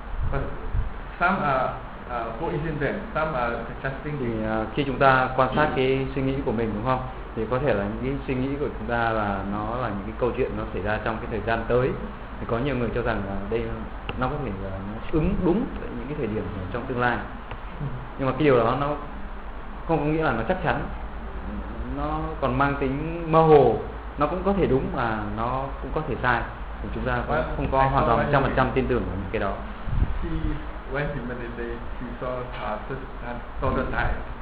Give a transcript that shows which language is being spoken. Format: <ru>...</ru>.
<en>But some are coincident, some are just thinking.</en> <vi>Thì khi chúng ta quan sát cái suy nghĩ của mình, đúng không? Thì có thể là những cái suy nghĩ của chúng ta là nó là những cái câu chuyện nó xảy ra trong cái thời gian tới. Thì có nhiều người cho rằng là đây nó có thể là nó ứng đúng tại những cái thời điểm trong tương lai. Nhưng mà cái điều đó nó không có nghĩa là nó chắc chắn. Nó còn mang tính mơ hồ. Nó cũng có thể đúng mà nó cũng có thể sai. Thì chúng ta cũng không có hoàn toàn 100% tin tưởng vào những cái đó.</vi> <en>She went to meditate. She saw the time.</en>